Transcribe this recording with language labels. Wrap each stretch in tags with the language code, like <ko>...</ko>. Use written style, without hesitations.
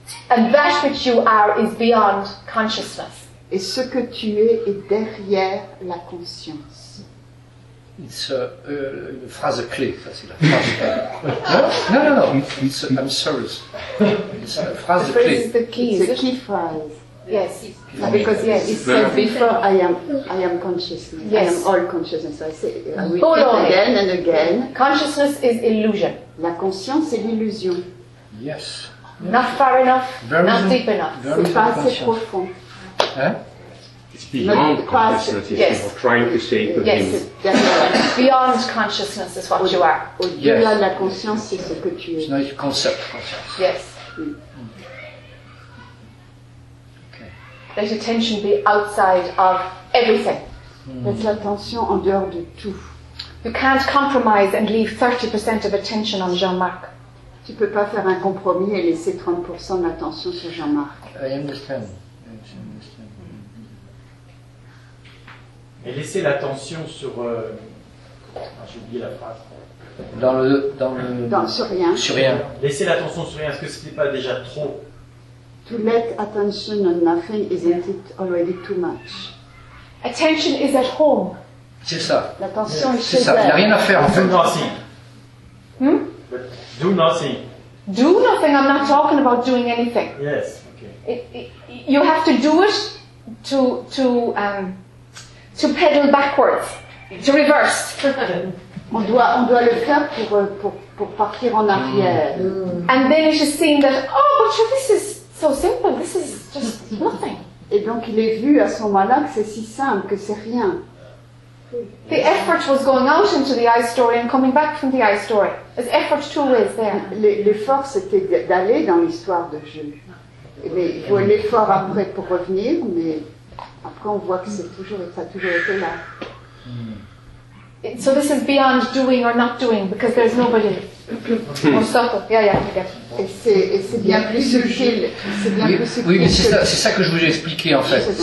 <en>And that which you are is beyond consciousness.</en> <fr>Et ce que tu es est derrière la conscience.</fr> <en>It's</en> <fr>une phrase clé. Ça, c'est la phrase. No.</fr> <en>It's a, I'm serious. It's a</en> <fr>phrase clé.</fr> <en>It's the key. It's a key phrase. Yes. Because it says before I am consciousness. Yes. I am all consciousness. I say it again and again. Consciousness is illusion.</en> <fr>La conscience est l'illusion.</fr> <en>Yes. Not far enough, very not deep enough.</en> <fr>C'est pas assez profond.</fr> <en>It's beyond consciousness. Yes. Or trying to say to him. Yes. Beyond consciousness is what you are.</en> <fr>Au-delà de la conscience, c'est ce que tu es.</fr> <en>It's not a concept. Yes. Let attention be outside of everything.</en> <fr>Laisse l'attention en dehors de tout.</fr> <en>You can't compromise and leave 30% of attention on Jean-Marc.</en> <fr>Tu peux pas faire un compromis et laisser 30% de l'attention sur Jean-Marc.</fr> <en>I understand.</en> <fr>Et laisser l'attention sur. J'ai oublié la phrase. Sur rien. Laisser l'attention sur rien. Est-ce que c'était pas déjà trop?</fr> <en>To let attention on nothing, isn't it already too much? Attention is at home.</en> <fr>C'est ça. L'attention est chez elle. Il n'y a rien à faire en fait.</fr> <en>Do nothing. Do nothing. Do nothing. I'm not talking about doing anything. Yes. Okay. You have to do it to pedal backwards, to reverse.</en> <fr>On doit le faire pour partir en arrière. Mm. Mm.</fr> <en>And then it's just seeing that but this is so simple, this is just nothing.</en> <fr>Et donc il est vu à ce moment-là que c'est si simple, que c'est rien.</fr> <en>The effort was going out into the I story and coming back from the I story. There's effort two ways there.</en> <fr>L'effort c'était d'aller dans l'histoire de jeu. Mais il faut l'effort après pour revenir, mais après on voit que c'est toujours, ça a toujours été là.</fr> <en>So this is beyond doing or not doing, because there's nobody.</en> <fr>C'est ça que je voulais expliquer en fait.</fr>